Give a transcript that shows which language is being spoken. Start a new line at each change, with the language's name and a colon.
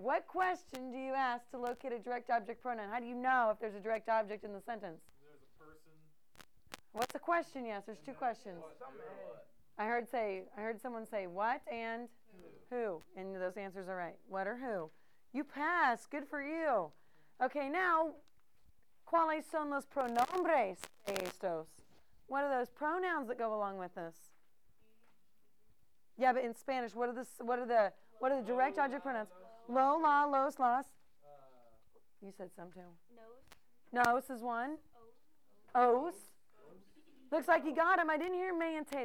English: What question do you ask to locate a direct object pronoun? How do you know if there's a direct object in the sentence? There's a person. What's the question? Yes, there's two questions. What? I heard someone say what and who. And those answers are right. What or who? You pass. Good for you.
Spanish: Okay, now, ¿cuáles son los pronombres de estos?
English: What are those pronouns that go along with this? Yeah, but in Spanish, what are the direct object pronouns? Lola, los, las. You said some too.
Spanish: Nos.
English: Nos is one. Os. Looks like you got him. I didn't hear me and te.